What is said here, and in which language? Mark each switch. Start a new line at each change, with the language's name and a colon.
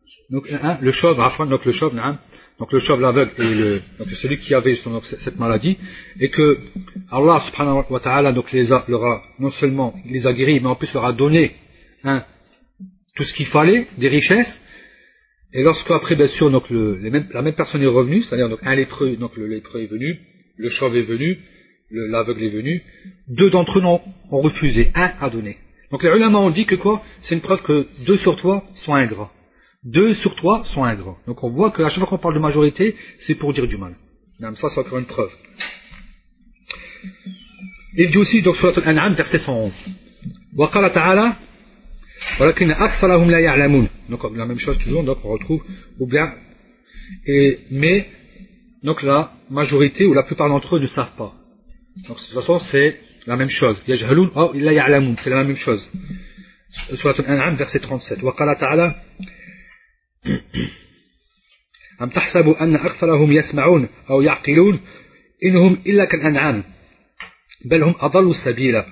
French: le chauve, Afan, donc le chauve, donc le chauve, l'aveugle, et le, donc celui qui avait justement donc, cette maladie, et que Allah subhanahu wa ta'ala, donc non seulement il les a guéris, mais en plus leur a donné, tout ce qu'il fallait, des richesses, et lorsque après bien sûr donc la même personne est revenue, c'est-à-dire donc un lépreux, donc le lépreux est venu, le chauve est venu, l'aveugle est venu, deux d'entre eux ont refusé, un a donné. Donc les ulama ont dit que quoi, c'est une preuve que deux sur trois sont ingrats, deux sur trois sont ingrats. Donc on voit que à chaque fois qu'on parle de majorité, c'est pour dire du mal. Même ça, c'est encore une preuve. Il dit aussi donc surat al-An'am verset 111.
Arabic: Wa qala ta'ala ولكن أكثرهم لا يعلمون.
French: Donc la même chose toujours, donc on retrouve ou bien et mais donc la majorité ou la plupart d'entre eux ne savent pas. Donc de toute façon c'est la même chose.
Arabic: يجهلون أو لا يعلمون,
French: c'est la même chose. Surat al-An'am verset 37.
Arabic: وقال تعالى أم تحسب أن أكثرهم يسمعون أو يعقلون إن هم إلا كالأنعام بل هم أضل السبيل.